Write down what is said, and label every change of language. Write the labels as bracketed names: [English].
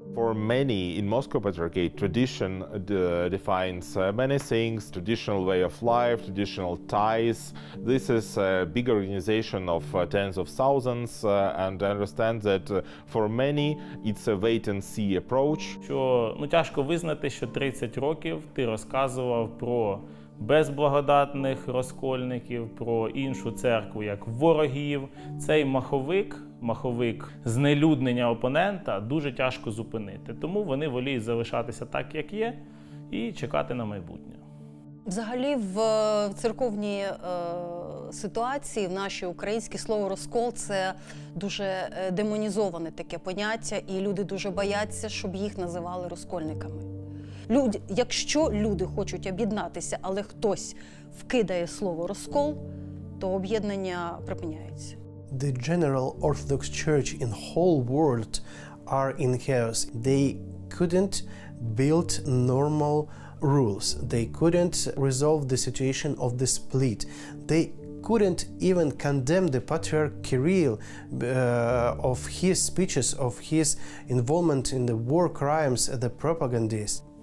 [English] For many in Moscow Patriarchate, tradition defines many things: traditional way of life, traditional ties. This is a big organization of tens of thousands, and I understand that for many it's a wait and see approach. [Ukrainian] Що, тяжко визнати, що 30 років ти розказував про безблагодатних розкольників, про іншу церкву як ворогів. Цей маховик, маховик знелюднення опонента, дуже тяжко зупинити. Тому вони воліють залишатися так, як є, і чекати на майбутнє. Взагалі, в церковній ситуації, в нашій українській, слово «розкол» – це дуже демонізоване таке поняття, і люди дуже бояться, щоб їх називали розкольниками. Люди, якщо люди хочуть об'єднатися, але хтось вкидає слово «розкол», то об'єднання припиняється. [English] The general Orthodox Church in whole world are in chaos. They couldn't build normal rules. They couldn't resolve the situation of the split. They couldn't even condemn the Patriarch Kirill of his speeches, of his involvement in the war crimes, the propagandists.